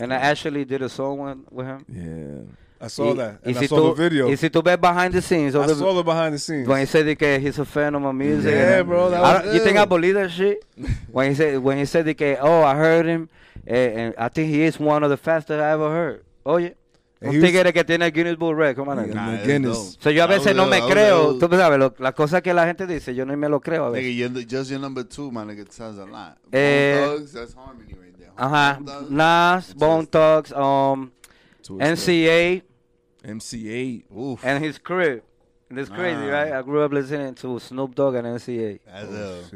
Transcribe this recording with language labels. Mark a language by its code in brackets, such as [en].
[en] And I actually did a song with him. Yeah. I saw I saw the video. Is he too bad behind the scenes? I saw the behind the scenes. When he said that he's a fan of my music. Yeah, bro. You think I believe that shit? when he said that, oh, I heard him. And I think he is one of the fastest I ever heard. Oh, yeah. [es] Un tigre que tiene el Guinness Book Record, ¿cómo [en] nah, Guinness. [es] O sea, yo a veces no me creo. Tú sabes, las cosas que la gente dice, yo ni me lo creo a veces. [en] Nigga, just your number two, my nigga, sounds a lot. Bone Thugs, that's Harmony right there. Ajá, uh-huh. Nas, Bone Thugs, MCA. Oof. And his crib. It's crazy, right? I grew up listening to Snoop Dogg and NCA. I love.